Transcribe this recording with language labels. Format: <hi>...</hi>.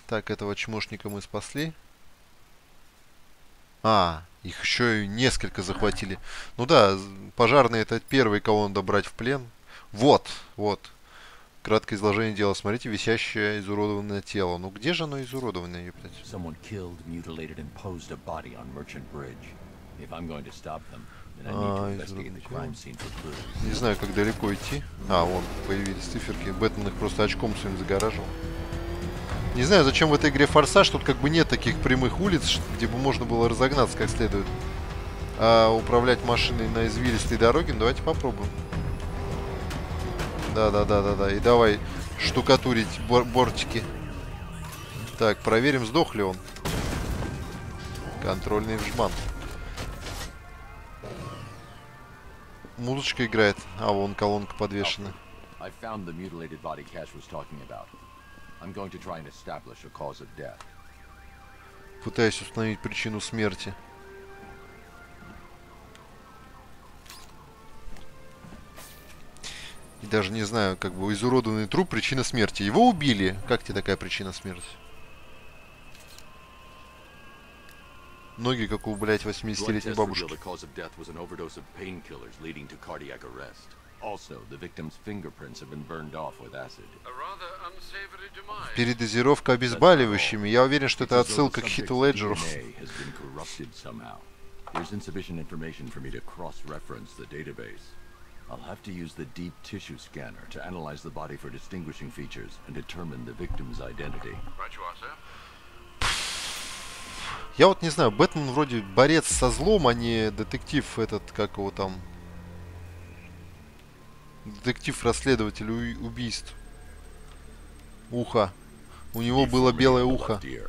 <ru>Так, этого чмошника мы спасли. А, их еще и несколько захватили. Ну да, пожарный — это первый, кого надо брать в плен. Вот, вот. Краткое изложение дела. Смотрите, висящее изуродованное тело. Ну где же оно изуродованное, ёптать?</ru> <en>Someone killed, mutilated, and posed a body on Merchant Bridge. If I'm going to stop them,</en> <ru>Не знаю, как далеко идти. А, вон, появились циферки. Бэтмен их просто очком своим загораживал. Не знаю, зачем в этой игре форсаж. Тут как бы нет таких прямых улиц, где бы можно было разогнаться как следует. А управлять машиной на извилистой дороге, ну, давайте попробуем. Да-да-да-да-да. И давай штукатурить бортики. Так, проверим, сдох ли он. Контрольный вжман. Музычка играет. А, вон колонка подвешена. Я нашел мутилированное тело, Кэш говорил о нем.</ru> <en>I'm going to try and establish a cause of death.</en> <ru>Пытаюсь установить причину смерти. И даже не знаю, как бы изуродованный труп, причина смерти. Его убили. Как тебе такая причина смерти? Ноги, как у, блядь, 80-летней бабушки.</ru> <en>The cause of death was an overdose of painkillers leading to cardiac arrest. Also, the victim's fingerprints have been burned off with acid.</en> <ru>Передозировка обезболивающими. Я уверен, что это отсылка к Хиту Леджеру.</ru> <en>Has been corrupted somehow. There's insufficient information for me to cross-reference the database. I'll have to use the deep tissue scanner to analyze the body for distinguishing features and determine the victim's identity.</en> <ru>Я вот не знаю, Бэтмен вроде борец со злом, а не детектив этот, как его там. Детектив-расследователь убийств. Ухо. У него было белое ухо.</ru>